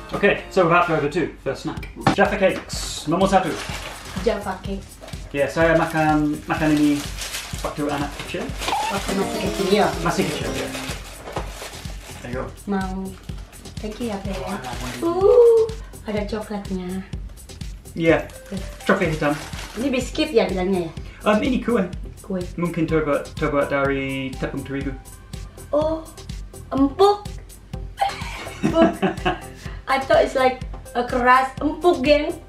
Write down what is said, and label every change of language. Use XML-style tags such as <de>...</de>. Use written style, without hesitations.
<en>Okay, so we're about to go to first snack.</en> <id>Jaffa cakes, nomor satu. Jaffa cakes. Yeah, saya makan ini waktu anak kecil. Waktu masih kecil ya. Masih kecil.</id> <en>Yeah. There you go.</en> <id>Mau,</id> <en>thank you</en> <id>ya Pak. Ooh, ada coklatnya. Yeah, coklat hitam. Ini biskuit ya bilangnya ya. Ini kue. Kue. Mungkin terbuat dari tepung terigu. Oh, empuk.</id> <en>I thought it's like a</en> <id>keras empuk</id> <en>geng.</en>